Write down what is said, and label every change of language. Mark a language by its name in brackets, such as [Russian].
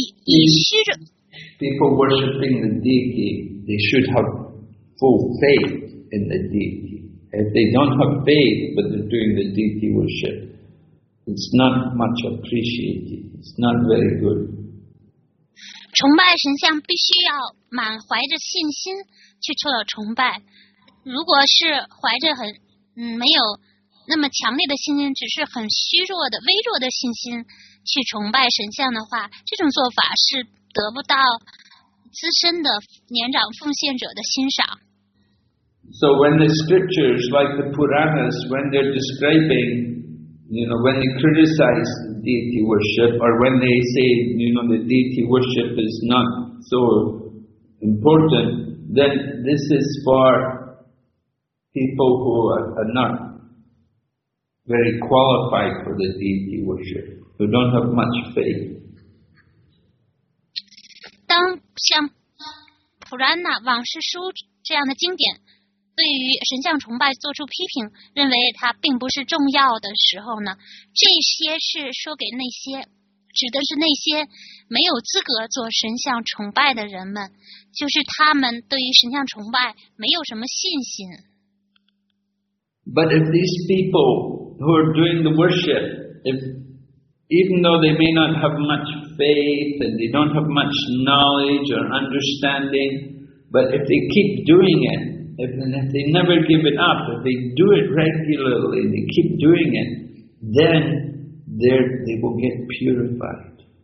[Chinese] 以虚着。 [English] People worshipping the deity, they should have full faith in the deity. If they don't have faith, but they're doing the deity worship,It's not much appreciated. It's not very good. [Chinese] 崇拜神像必须要满怀着信心去做崇拜。如果是怀着很没有那么强烈的信心，只是很虚弱的、微弱的信心去崇拜神像的话，这种做法是得不到资深的年长奉献者的欣赏。 [English] So when the scriptures, like the Puranas, when they're describing,You know, when they criticize deity worship, or when they say, you know, the deity worship is not so important, then this is for people who are not very qualified for the deity worship, who don't have much faith. [Chinese] 当像普拉纳、往事书这样的经典对于神像崇拜做出批评，认为它并不是重要的时候呢，这些是说给那些，指的是那些没有资格做神像崇拜的人们，就是他们对于神像崇拜没有什么信心。 [English] But if these people who are doing the worship, if even though they may not have much faith and they don't have much knowledge or understanding, but if they keep doing it,If they never give it up, if they do it regularly, they keep doing it, then they will get purified.